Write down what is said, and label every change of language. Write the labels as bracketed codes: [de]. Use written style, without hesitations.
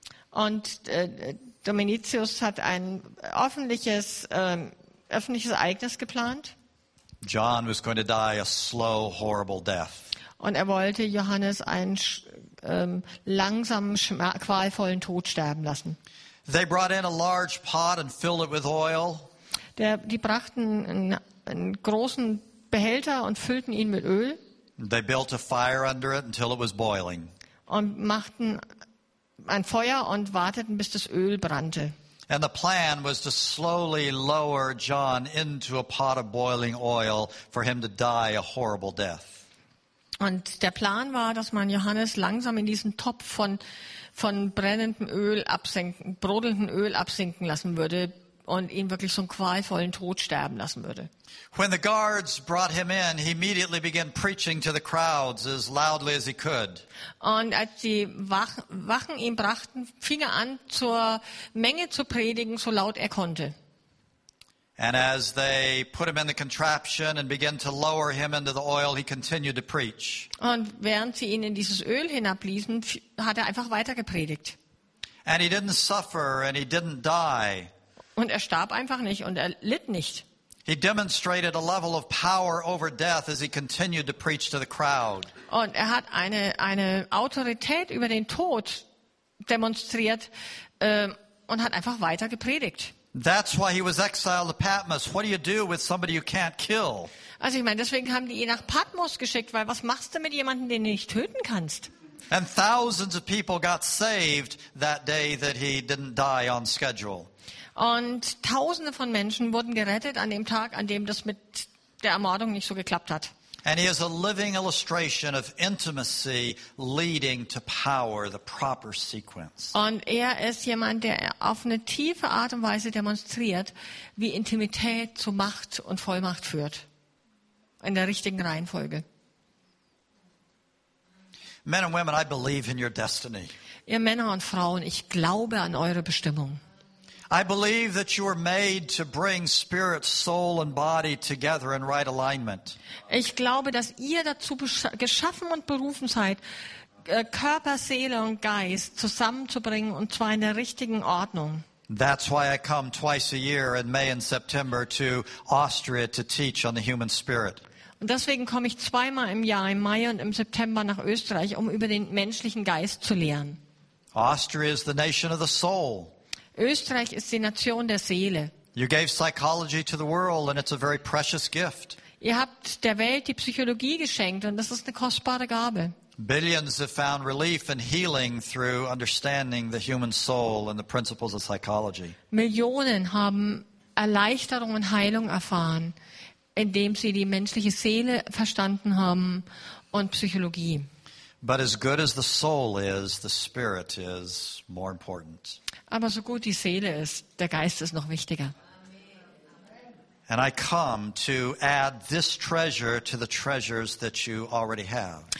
[de] Und Dominicius hat ein öffentliches Ereignis geplant. [en] John was going to die a slow, horrible death. [de] Und er wollte Johannes einen langsamen, qualvollen Tod sterben lassen. [en] They brought in a large pot and filled it with oil. [de] Die brachten einen großen Behälter und füllten ihn mit Öl. [en] They built a fire under it until it was boiling. [de] Und machten ein Feuer und warteten, bis das Öl brannte. [en] And the plan was to slowly lower John into a pot of boiling oil for him to die a horrible death. [de] Und der Plan war, dass man Johannes langsam in diesen Topf von brennendem Öl absenken, brodelndem Öl absinken lassen würde und ihn wirklich so einen qualvollen Tod sterben lassen würde. [en] When the guards brought him in, he immediately began preaching to the crowds as loudly as he could. [de] Und als die Wachen ihn brachten, fing er an, zur Menge zu predigen, so laut er konnte. [en] And as they put him in the contraption and began to lower him into the oil, he continued to preach. [de] Und während sie ihn in dieses Öl hinabließen, hat er einfach weiter gepredigt. [en] And he didn't suffer and he didn't die. [de] Und er starb einfach nicht und er litt nicht. [en] He demonstrated a level of power over death as he continued to preach to the crowd. [de] Und er hat eine Autorität über den Tod demonstriert und hat einfach weiter gepredigt. [en] That's why he was exiled to Patmos. What do you do with somebody you can't kill? [de] Also ich meine, deswegen haben die ihn nach Patmos geschickt, weil was machst du mit jemandem, den du nicht töten kannst? [en] And thousands of people got saved that day that he didn't die on schedule. [de] Und tausende von Menschen wurden gerettet an dem Tag, an dem das mit der Ermordung nicht so geklappt hat. [en] And he is a living illustration of intimacy leading to power, the proper sequence. [de] Und er ist jemand, der auf eine tiefe Art und Weise demonstriert, wie Intimität zu Macht und Vollmacht führt. In der richtigen Reihenfolge. [en] Men and women, I believe in your destiny. [de] Ihr Männer und Frauen, ich glaube an eure Bestimmung. [en] I believe that you were made to bring spirit, soul and body together in right alignment. [de] Ich glaube, dass ihr dazu geschaffen und berufen seid, Körper, Seele und Geist zusammenzubringen und zwar in der richtigen Ordnung. [en] That's why I come twice a year in May and September to Austria to teach on the human spirit. [de] Und deswegen komme ich zweimal im Jahr, im Mai und im September nach Österreich, um über den menschlichen Geist zu lehren. [en] Austria is the nation of the soul. [de] Österreich ist die Nation der Seele. [en] You gave psychology to the world and it's a very precious gift. [de] Ihr habt der Welt die Psychologie geschenkt und das ist eine kostbare Gabe. [en] Billions have found relief and healing through understanding the human soul and the principles of psychology. [de] Millionen haben Erleichterung und Heilung erfahren, indem sie die menschliche Seele verstanden haben und Psychologie. [en] But as good as the soul is, the spirit is more important. [de] Aber so gut die Seele ist, der Geist ist noch wichtiger. [en] And I come to add this treasure to the treasures that you already have.